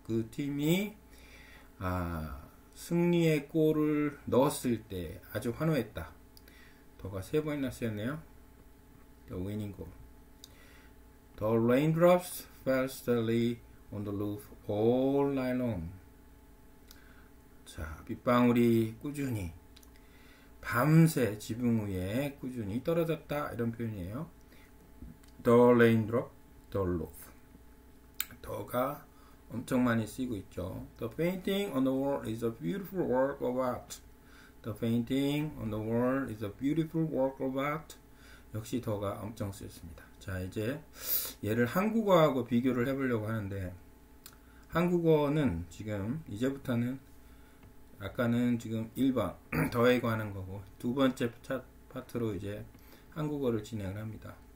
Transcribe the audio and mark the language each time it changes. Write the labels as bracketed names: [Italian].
[Korean] 그 팀이 아, 승리의 골을 넣었을 때 아주 환호했다. 더가 세 번이나 쓰였네요. [English] The winning goal. The raindrops fell steadily on the roof all night long. [Korean] 자, 빗방울이 꾸준히 밤새 지붕 위에 꾸준히 떨어졌다 이런 표현이에요. [English] The raindrop, the roof. [Korean] 더가 엄청 많이 쓰이고 있죠. [English] The painting on the wall is a beautiful work of art. The painting on the wall is a beautiful work of art. [Korean] 역시 더가 엄청 쓰였습니다. 자, 이제 얘를 한국어하고 비교를 해보려고 하는데 한국어는 지금 이제부터는 아까는 지금 1번 더에 관한 거고 두 번째 파트로 이제 한국어를 진행을 합니다.